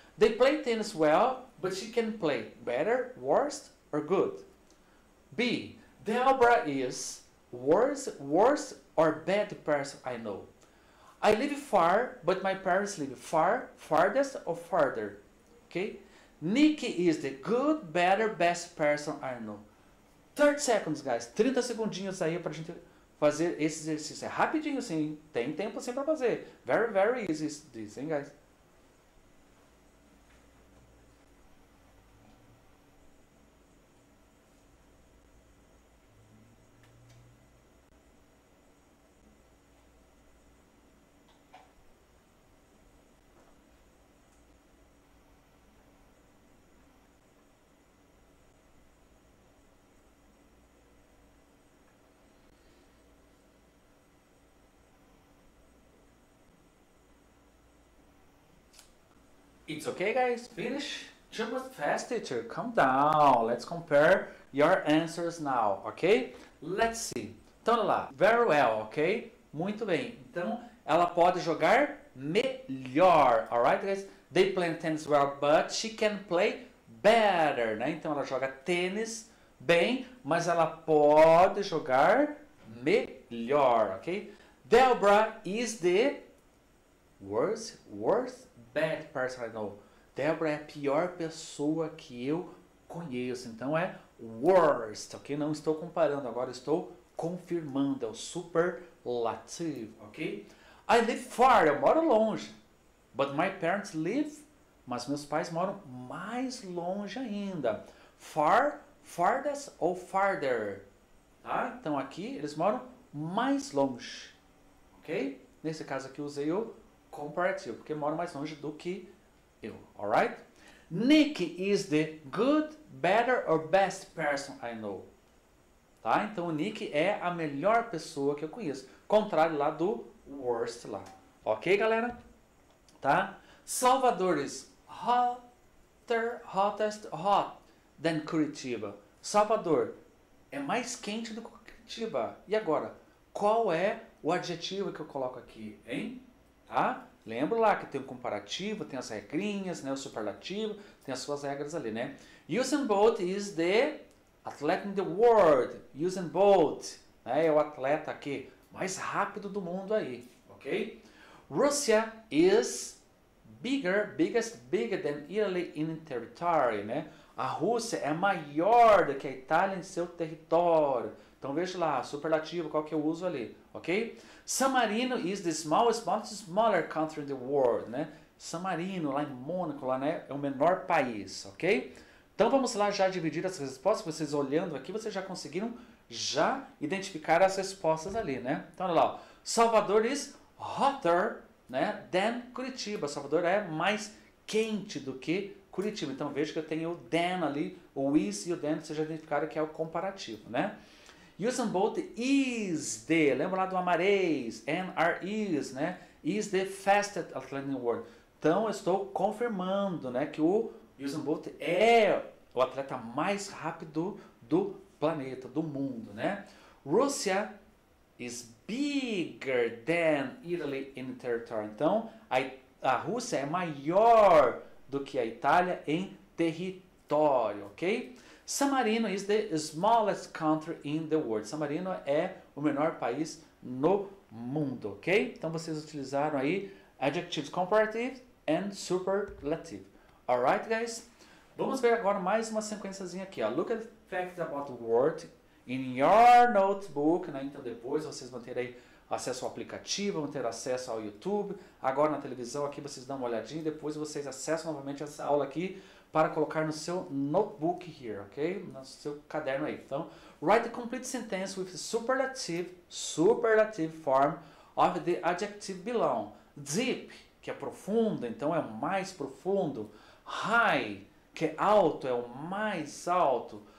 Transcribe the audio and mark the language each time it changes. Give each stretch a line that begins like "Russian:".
English: They play tennis well, but she can play better, worse, or good. B. Deborah is worse or bad person I know. I live far, but my parents live farthest or farther. Okay? Nikki is the good, better, best person I know. 30 seconds, guys.
Portuguese: 30 segundinhos aí pra gente fazer esse exercício. É rapidinho, sim. Tem tempo, sim, pra fazer.
English: Very, very easy this,
Portuguese: hein, guys?
English: It's okay, guys. Finish. Too much fast, teacher. Calm down. Let's compare your answers now, ok? Let's see.
Portuguese: Então, olha lá.
English: Very well, ok?
Portuguese: Muito bem. Então, ela pode jogar melhor,
English: alright, guys? They play tennis well, but she can play better, né?
Portuguese: Então, ela joga tênis bem, mas ela pode jogar melhor, ok?
English: Deborah is the worst bad person I know.
Portuguese: Deborah é a pior pessoa que eu conheço. Então é worst, ok? Não estou comparando, agora estou confirmando. É o superlativo, ok?
English: I live far,
Portuguese: eu moro longe.
English: But my parents live,
Portuguese: mas meus pais moram mais longe ainda.
English: Far, farthest ou farther? Tá?
Portuguese: Então aqui eles moram mais longe, ok? Nesse caso aqui usei o comparativo, porque mora mais longe do que eu, alright?
English: Nick is the good, better or best person I know.
Portuguese: Tá? Então o Nick é a melhor pessoa que eu conheço. Contrário lá do worst lá. Ok, galera? Tá?
English: Salvador is hot than Curitiba.
Portuguese: Salvador é mais quente do que Curitiba. E agora, qual é o adjetivo que eu coloco aqui, hein? Tá? Lembro lá que tem o comparativo, tem as regrinhas, né? O superlativo, tem as suas regras ali, né?
English: Usain Bolt is the athlete in the world.
Portuguese: Usain Bolt, né? É o atleta aqui mais rápido do mundo aí, ok?
English: Russia is bigger than Italy in territory, né?
Portuguese: A Rússia é maior do que a Itália em seu território. Então veja lá, superlativo, qual que eu uso ali, ok?
English: San Marino is the smaller country in the world, né?
Portuguese: San Marino, lá em Mônaco, lá, né? É o menor país, ok? Então vamos lá já dividir as respostas. Vocês olhando aqui, vocês já conseguiram já identificar as respostas ali, né? Então olha lá,
English: Salvador is hotter, né, than Curitiba.
Portuguese: Salvador é mais quente do que Curitiba. Então veja que eu tenho o than ali, o is e o than, vocês já identificaram que é o comparativo, né?
English: Usain Bolt is the,
Portuguese: lembra lá do amarês, N-R-E, né?
English: Is the fastest athlete in the world.
Portuguese: Então eu estou confirmando, né, que o Usain Bolt é o atleta mais rápido do planeta, do mundo, né?
English: Russia is bigger than Italy in territory.
Portuguese: Então a Rússia é maior do que a Itália em território, ok?
English: San Marino is the smallest country in the world.
Portuguese: San Marino é o menor país no mundo, ok? Então vocês utilizaram aí
English: adjectives comparative and superlative. Alright, guys?
Portuguese: Vamos ver agora mais uma sequenciazinha aqui, ó.
English: Look at facts about the world in your notebook,
Portuguese: né? Então depois vocês vão ter aí acesso ao aplicativo, vão ter acesso ao YouTube, agora na televisão aqui vocês dão uma olhadinha e depois vocês acessam novamente essa aula aqui para colocar no seu notebook here, ok? No seu caderno aí.
English: Então, write a complete sentence with the superlative form of the adjective below.
Portuguese: Deep, que é profundo, então é o mais profundo. High, que é alto, é o mais alto.